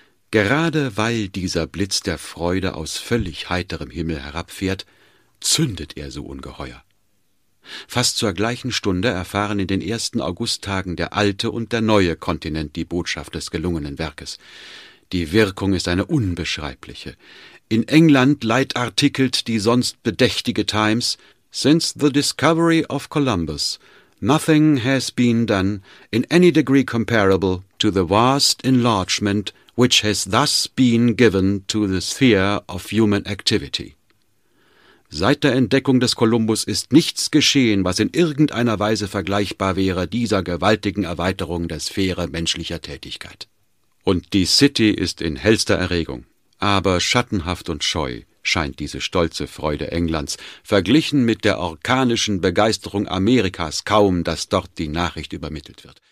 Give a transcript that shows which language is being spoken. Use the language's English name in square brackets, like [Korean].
[German] Gerade weil dieser Blitz der Freude aus völlig heiterem Himmel herabfährt, zündet er so ungeheuer. Fast zur gleichen Stunde erfahren in den ersten Augusttagen der alte und der neue Kontinent die Botschaft des gelungenen Werkes. Die Wirkung ist eine unbeschreibliche. In England leitartikelt die sonst bedächtige Times: [English] Since the discovery of Columbus, nothing has been done in any degree comparable to the vast enlargement which has thus been given to the sphere of human activity. [German] Seit der Entdeckung des Kolumbus ist nichts geschehen, was in irgendeiner Weise vergleichbar wäre dieser gewaltigen Erweiterung der Sphäre menschlicher Tätigkeit. Und die City ist in hellster Erregung. Aber schattenhaft und scheu scheint diese stolze Freude Englands, verglichen mit der orkanischen Begeisterung Amerikas, kaum, dass dort die Nachricht übermittelt wird.